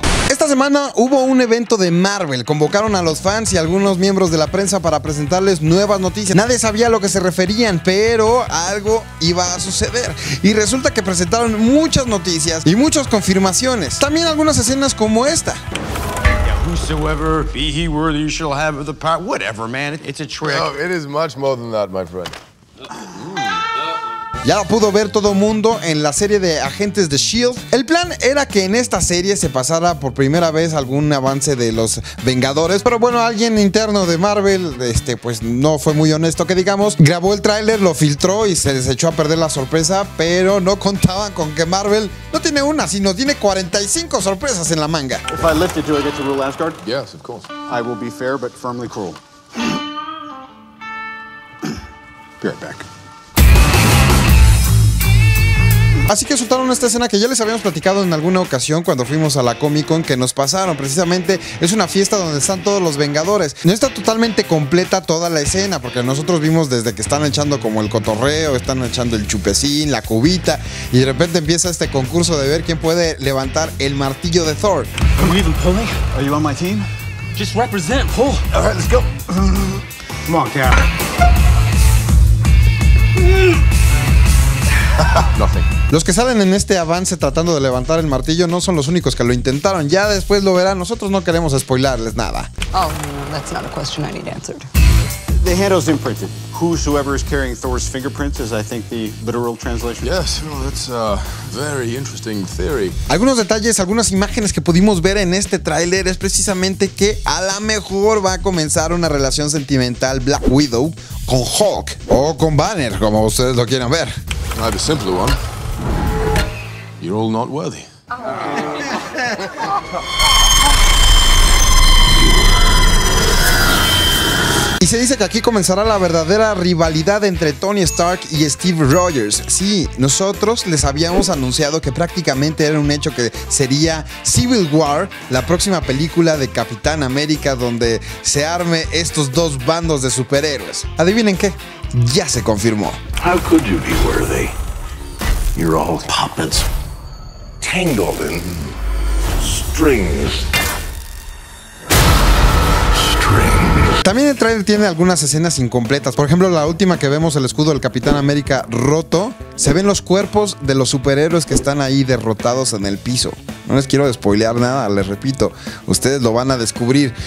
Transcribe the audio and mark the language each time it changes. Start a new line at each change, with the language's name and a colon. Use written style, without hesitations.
Spanish: Esta semana hubo un evento de Marvel, convocaron a los fans y algunos miembros de la prensa para presentarles nuevas noticias. Nadie sabía a lo que se referían, pero algo iba a suceder. Y resulta que presentaron muchas noticias y muchas confirmaciones. También algunas escenas como esta.
English: Whosoever be he worthy shall have the power. Whatever, man, it's a trick. No, it is much more than that, my friend.
Spanish: Ya lo pudo ver todo mundo en la serie de Agentes de S.H.I.E.L.D. El plan era que en esta serie se pasara por primera vez algún avance de los Vengadores. Pero bueno, alguien interno de Marvel, pues no fue muy honesto que digamos. Grabó el tráiler, lo filtró y se les echó a perder la sorpresa. Pero no contaban con que Marvel no tiene una, sino tiene 45 sorpresas en la manga.
English: If I lift it, do I get to rule Asgard? Yes, of course. I will be fair but firmly cruel. Be right back.
Spanish: Así que soltaron esta escena que ya les habíamos platicado en alguna ocasión cuando fuimos a la Comic Con, que nos pasaron. Precisamente es una fiesta donde están todos los Vengadores. No está totalmente completa toda la escena, porque nosotros vimos desde que están echando como el cotorreo, están echando el chupecín, la cubita, y de repente empieza este concurso de ver quién puede levantar el martillo de Thor. ¿Estás incluso empujando? ¿Estás en mi equipo?
English: Just represent, pull. All right, let's go. Come on, Cap. Nothing.
Spanish: Los que salen en este avance tratando de levantar el martillo no son los únicos que lo intentaron. Ya después lo verán. Nosotros no queremos spoilarles nada.
English: Oh, that's not a question I need answered. The handle's imprinted. Whosoever is carrying Thor's fingerprints is, I think, the literal translation. Yes, well, that's a very interesting theory.
Spanish: Algunos detalles, algunas imágenes que pudimos ver en este tráiler es precisamente que a lo mejor va a comenzar una relación sentimental Black Widow con Hulk o con Banner, como ustedes lo quieran ver.
English: I have a simpler one. You're all not worthy.
Spanish: Y se dice que aquí comenzará la verdadera rivalidad entre Tony Stark y Steve Rogers. Sí, nosotros les habíamos anunciado que prácticamente era un hecho que sería Civil War, la próxima película de Capitán América donde se arme estos dos bandos de superhéroes. ¿Adivinen qué? Ya se confirmó.
English: How could you be worthy? You're all puppets tangled in strings.
Spanish: También el trailer tiene algunas escenas incompletas. Por ejemplo, la última que vemos el escudo del Capitán América roto, se ven los cuerpos de los superhéroes que están ahí derrotados en el piso. No les quiero spoilear nada, les repito, ustedes lo van a descubrir.